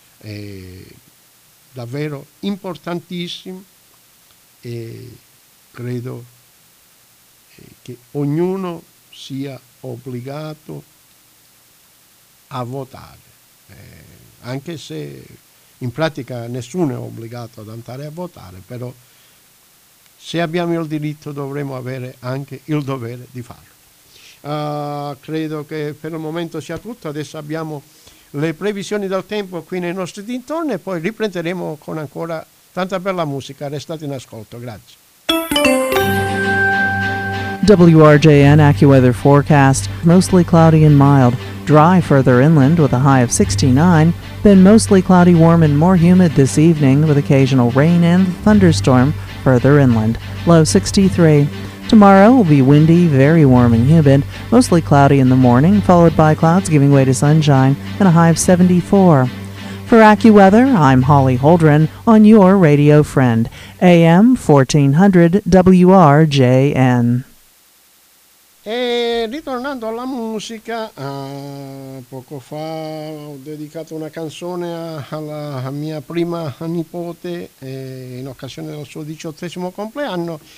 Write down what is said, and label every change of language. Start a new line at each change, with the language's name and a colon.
Italian: È davvero importantissimo e credo che ognuno sia obbligato a votare, anche se in pratica nessuno è obbligato ad andare a votare, però se abbiamo il diritto dovremmo avere anche il dovere di farlo. Credo che per il momento sia tutto, adesso abbiamo le previsioni del tempo qui nei nostri dintorni e poi riprenderemo con ancora tanta bella musica. Restate in ascolto, grazie.
English: WRJN AccuWeather Forecast, mostly cloudy and mild, dry further inland with a high of 69, then mostly cloudy, warm and more humid this evening with occasional rain and thunderstorm further inland, low 63. Tomorrow will be windy, very warm and humid, mostly cloudy in the morning, followed by clouds giving way to sunshine and a high of 74. For AccuWeather, I'm Holly Holdren on your radio friend, AM 1400 WRJN.
Italian: E ritornando alla musica, poco fa ho dedicato una canzone alla mia prima nipote in occasione del suo 18° compleanno.